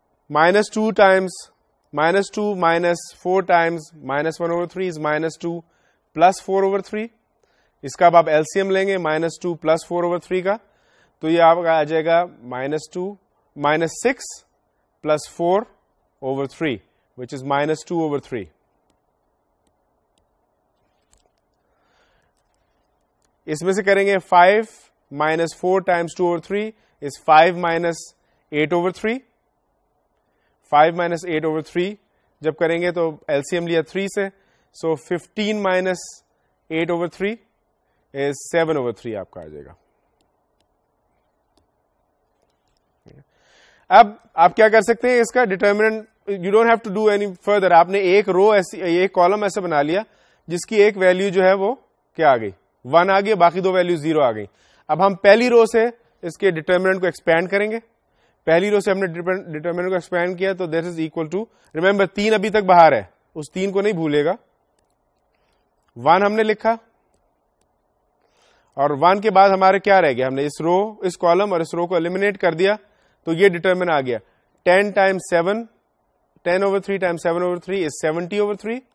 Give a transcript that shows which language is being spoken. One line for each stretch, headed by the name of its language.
English: Minus 2 times minus 2 minus 4 times minus 1 over 3 is minus 2 plus 4 over 3.
Urdu: اس کا اب آپ L C M لیں گے
English: minus 2 plus 4 over 3
Urdu: کا تو یہ آپ کا آ جائے گا
English: Minus 2 minus 6 plus 4 over 3 which is minus 2 over 3.
Urdu: اس میں سے کریں گے
English: 5 minus 4 times 2 over 3 is 5 minus 8 over 3. 5 minus 8 over 3
Urdu: جب کریں گے تو LCM لیا 3 سے
English: so 15 minus 8 over 3 is 7 over 3
Urdu: آپ کا آ جائے گا. اب آپ کیا کر سکتے ہیں اس کا determinant.
English: You don't have to do any further.
Urdu: آپ نے ایک رو ایسی ایک کالم ایسا بنا لیا جس کی ایک ویلو جو ہے وہ کیا آ گئی 1 آ گئی, باقی دو ویلو 0 آ گئی. اب ہم پہلی رو سے اس کے ڈیٹرمنٹ کو ایکسپینڈ کریں گے. پہلی رو سے ہم نے ڈیٹرمنٹ کو ایکسپینڈ کیا تو
English: that is equal to,
Urdu: remember 3 ابھی تک باہر ہے اس 3 کو نہیں بھولے گا. 1 ہم نے لکھا اور 1 کے بعد ہمارے کیا رہ گیا, ہم نے اس رو اس کالم اور اس رو کو ایلیمنیٹ کر دیا تو یہ ڈیٹرمنٹ آ گیا
English: 10 times 7 10 over 3
Urdu: times 7 over 3 is 70 over 3